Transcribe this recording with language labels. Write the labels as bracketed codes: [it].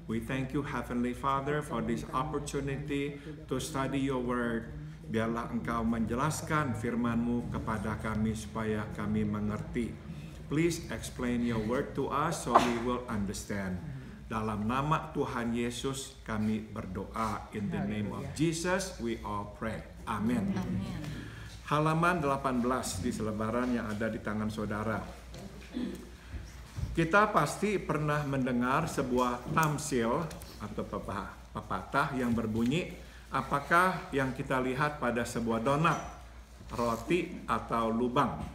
[en] We thank you Heavenly Father for this opportunity to study your word. [id] Biarlah Engkau menjelaskan firman-Mu kepada kami supaya kami mengerti. [en] Please explain your word to us so we will understand. [id] Dalam nama Tuhan Yesus kami berdoa. [en] In the name of Jesus we all pray. [id] Amen. Halaman 18 di selebaran yang ada di tangan saudara. Kita pasti pernah mendengar sebuah tamsil atau pepatah yang berbunyi, apakah yang kita lihat pada sebuah donat, roti atau lubang?